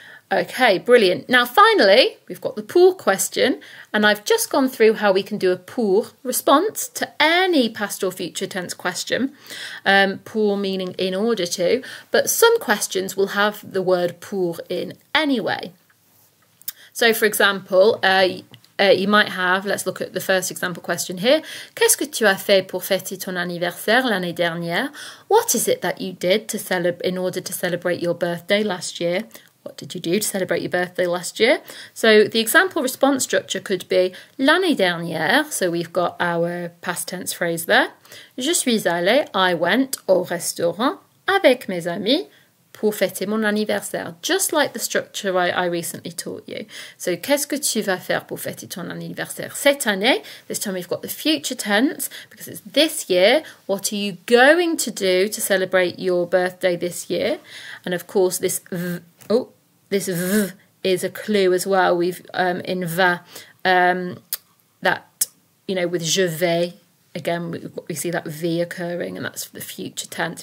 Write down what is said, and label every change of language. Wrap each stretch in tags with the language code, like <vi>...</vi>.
<en>Okay, brilliant. Now, finally, we've got the pour question, and I've just gone through how we can do a pour response to any past or future tense question, pour meaning in order to, but some questions will have the word pour in anyway. So, for example, you might have, let's look at the first example question here.</en> <fr>Qu'est-ce que tu as fait pour fêter ton anniversaire l'année dernière?</fr> <en>What is it that you did to in order to celebrate your birthday last year? What did you do to celebrate your birthday last year? So the example response structure could be</en> <fr>l'année dernière.</fr> <en>So we've got our past tense phrase there.</en> <fr>Je suis allé,</fr> <en>I went</en> <fr>au restaurant avec mes amis pour fêter mon anniversaire.</fr> <en>Just like the structure I recently taught you.</en> <fr>So qu'est-ce que tu vas faire pour fêter ton anniversaire cette année?</fr> <en>This time we've got the future tense because it's this year. What are you going to do to celebrate your birthday this year? And of course this this V is a clue as well. We've in va, that, you know, with</en> <fr>je vais,</fr> <en>again, we see that V occurring, and that's for the future tense.</en>